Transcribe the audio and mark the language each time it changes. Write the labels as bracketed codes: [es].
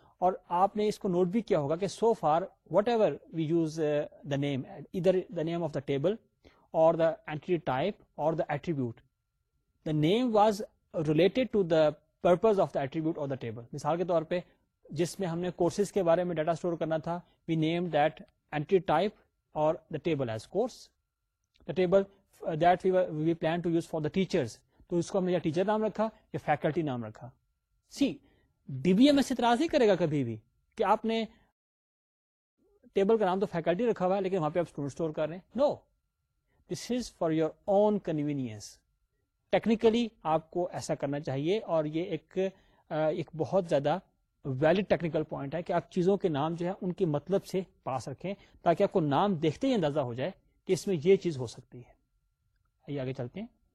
[ur] اور آپ نے اس کو نوٹ بھی کیا ہوگا کہ [en] So for whatever we use the name, ادھر the name of the table اور the entry type اور the attribute, the name was related to the purpose of the attribute اور the table. [ur] مثال کے طور پہ جس میں ہم نے کورسز کے بارے میں ڈیٹا اسٹور کرنا تھا، [en] We name that entry type اور the table as course. The table that we plan to use for the teachers, [ur] تو اس کو ہم نے یا ٹیچر نام رکھا یا فیکلٹی نام رکھا. C D B M S اعتراض نہیں کرے گا کبھی بھی کہ آپ نے ٹیبل کا نام تو فیکلٹی رکھا ہوا ہے لیکن وہاں پہ آپ اسٹوڈنٹ اسٹور کر رہے ہیں. [en] No, this is for your own convenience. [ur] Technically آپ کو ایسا کرنا چاہیے اور یہ ایک بہت زیادہ ویلڈ ٹیکنیکل پوائنٹ ہے کہ آپ چیزوں کے نام جو ہے ان کے مطلب سے پاس رکھیں، تاکہ آپ کو نام دیکھتے ہی اندازہ ہو جائے کہ اس میں یہ چیز ہو سکتی ہے. آئیے آگے چلتے ہیں.